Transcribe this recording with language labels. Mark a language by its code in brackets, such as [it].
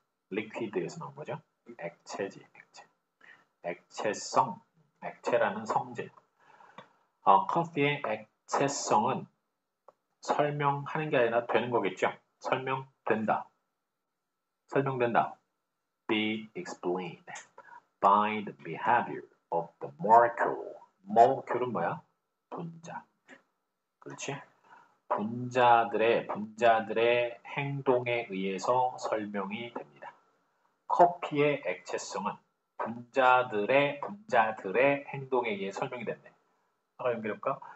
[ko] 리퀴드에서 나온 거죠? 액체지, 액체. 액체성. 액체라는 성질. 커피의 액체성은 설명하는 게 아니라 되는 거겠죠? 설명된다. [en] Be explained by the behavior of the molecule. [ko] Molecule은 뭐야? 분자. 그렇지? 분자들의 행동에 의해서 설명이 됩니다. 커피의 액체성은 분자들의 행동에 의해 설명이 됐네. 하나 연결할까?